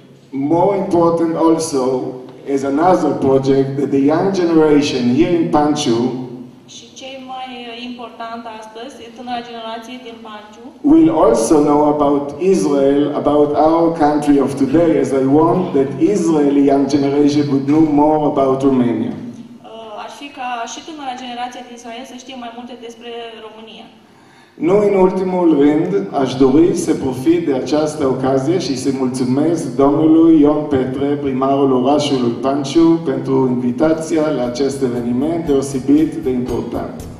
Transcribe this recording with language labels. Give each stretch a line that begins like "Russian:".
English: More important also is another project that the young generation here in Panju.
Romanian: Și cei mai important astăzi, tânăra generație din Panju.
English: Will also know about Israel, about our country of today, as I want that Israeli young generation would know more about Romania.
Romanian: Aș fi ca și tânăra generație din Israel să știe mai multe despre România. Nu în ultimul rând, aș dori să profit de această ocazie și să mulțumesc domnului Ion Petre, primarul orașului Panju, pentru invitația la acest eveniment deosebit de important.